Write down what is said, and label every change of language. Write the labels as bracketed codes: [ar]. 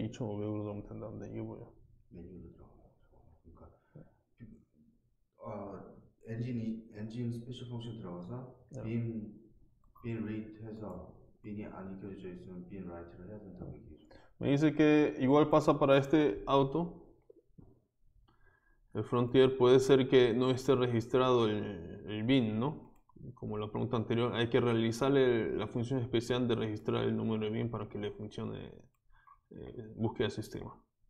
[es] ¿Y cómo veo lo que me están dando? [ko] 엔진이 스페셜 펑션 들어가서 빈 레이트해서 빈이 안 익혀져 있으면 빈 라이트를 해야 된다고 얘기해 줘. [es] Me dice que igual pasa para este auto. El Frontier puede ser que no esté registrado el VIN, ¿no? Como la pregunta anterior, hay que realizarle la función especial de registrar el número de VIN para que le funcione búsqueda de sistema.